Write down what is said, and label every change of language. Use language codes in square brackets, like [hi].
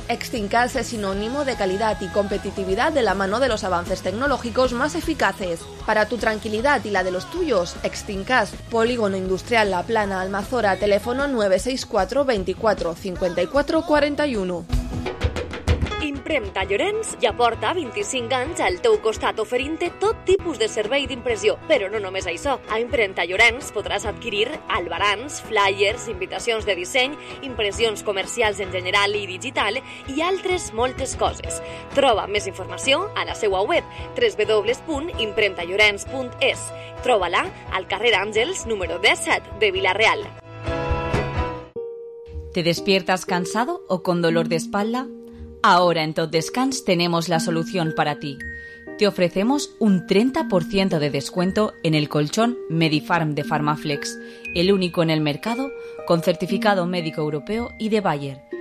[es] Extincas es sinónimo de calidad y competitividad de la mano de los avances tecnológicos más eficaces. Para tu tranquilidad y la de los tuyos, Extincas, Polígono Industrial La Plana, Almazora, teléfono 964 24 54 41. [ca] Impremta Llorenç ja porta 25 anys al teu costat oferint-te tot tipus de servei d'impressió. Però no només això. A Impremta Llorenç podràs adquirir albarans, flyers, invitacions de disseny, impressions comercials en general i digital i altres moltes coses. Troba més informació a la seva web www.impremtallorenç.es. Troba-la al carrer Àngels número 17 de Villarreal. [es] ¿Te despiertas cansado o con dolor de espalda? Ahora en Tot Descans tenemos la solución para ti. Te ofrecemos un 30% de descuento en el colchón Medifarm de Farmaflex, el único en el mercado con certificado médico europeo y de Bayer.